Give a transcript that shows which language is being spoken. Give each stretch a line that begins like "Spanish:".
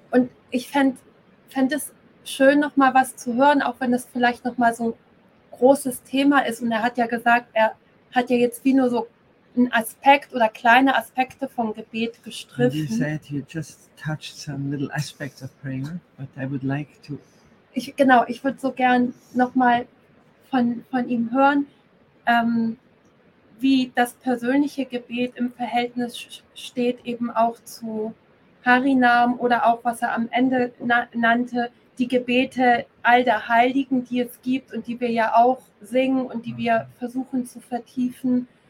German: Und ich fänd es schön, noch mal was zu hören, auch wenn es vielleicht noch mal so ein großes Thema ist. Und er hat ja gesagt, er hat ja jetzt wie nur so ein Aspekt oder kleine Aspekte vom Gebet gestriffen.
English: You said you just touched some little aspects of prayer, but I would like to.
German: Ich würde so gern noch mal von ihm hören, wie das persönliche Gebet im Verhältnis steht eben auch zu Harinam oder auch was er am Ende nannte, die Gebete all der Heiligen, die es gibt und die wir ja auch singen und die wir versuchen zu vertiefen.